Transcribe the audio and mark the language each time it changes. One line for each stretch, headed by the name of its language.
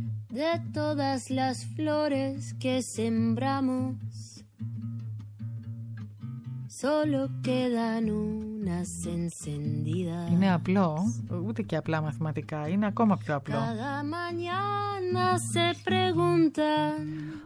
Spanish: De todas las flores que sembramos solo quedan unas encendidas.
Greek: Είναι απλό, ούτε και απλά μαθηματικά, είναι ακόμα πιο απλό.
Spanish: Cada mañana se preguntan,